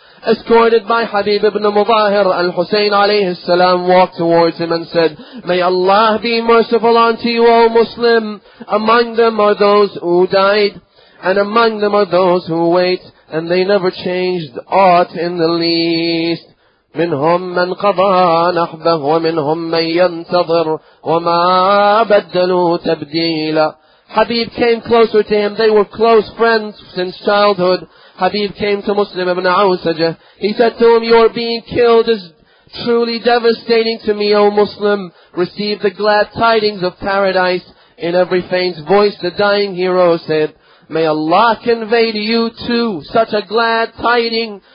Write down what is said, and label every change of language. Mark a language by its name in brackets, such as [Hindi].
[English] Escorted by Habib ibn Mubahir, al-Husayn alayhi salam walked towards him and said, May Allah be merciful unto you, O Muslim. Among them are those who died, and among them are those who wait, and they never changed aught in the least. [Arabic] منهم من قضى نحبه ومنهم من ينتظر وما بدلوا تبديلا. [English] Habib came closer to him. They were close friends since childhood. Habib came to Muslim ibn Awsajah. He said to him, Your being killed is truly devastating to me, O Muslim. Receive the glad tidings of paradise. In every faint voice, the dying hero said, May Allah convey to you too such a glad tiding.